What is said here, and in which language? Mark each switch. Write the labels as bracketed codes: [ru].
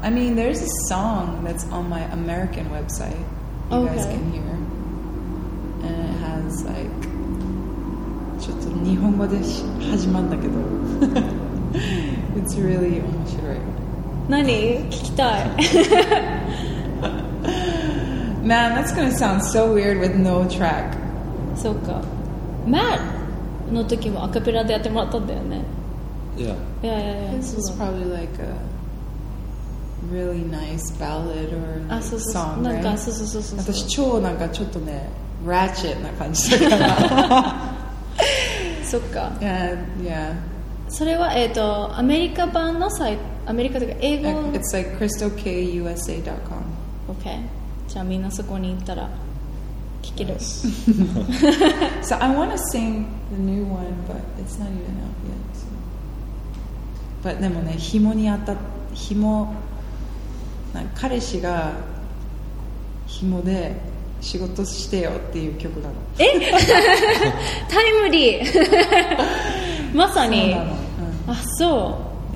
[en] I mean, there's a song that's on my American website. You guys can hear. And it has like... [ja] ちょっと日本語で始まるんだけど。 [en] It's really [ja] 面白い。何？聞きたい。 [en] Man, that's gonna sound so weird with no track. [ja] そうか。 Matt の時もアカペラでやってもらったんだよね。 [en] Yeah. Yeah, yeah, yeah. This is probably like a really nice ballad or like [ja] そうそうそう [en] song, [ja] なんか [en] right? [ja] そうそうそうそうそう。私超なんかちょっとね、ratchet な感じだから。そっか。 [en] Yeah, yeah. [ja] それはアメリカ版のサイト、アメリカというか英語の。 [en] It's like crystalkusa.com. Okay. [ja] じゃあみんなそこに行ったら聴ける。 [en] Nice. So I want to sing the new one, but it's not even out yet. So. [ja] But でもね、紐に当たっ、紐、なんか彼氏が紐で仕事してよっていう曲なの。え？タイムリー。まさに。そうなの。うん、あ、そう。